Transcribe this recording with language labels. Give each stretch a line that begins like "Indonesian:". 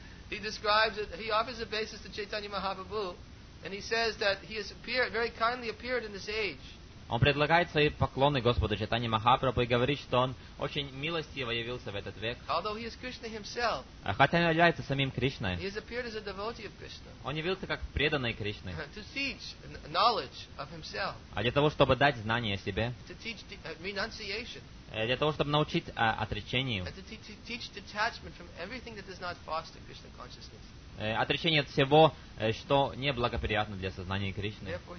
English: He describes it, he offers a basis to Chaitanya Mahaprabhu, and he says that he has appeared, very kindly appeared in this age.
Russian: Он предлагает свои поклоны Господу Чайтани Махапрабху и говорит, что он очень милостиво явился в этот век.
English: Although he is Krishna himself.
Russian: А хотя он является самим Кришной.
English: He has appeared as a devotee of Krishna.
Russian: Он явился как преданный Кришне.
English: To teach knowledge of himself.
Russian: А для того, чтобы дать знание о себе.
English: To teach renunciation.
Russian: Для того, чтобы научить отречению.
English: And to teach detachment from everything that does not foster Krishna consciousness.
Russian: Отречение от всего, что неблагоприятно для сознания Кришны.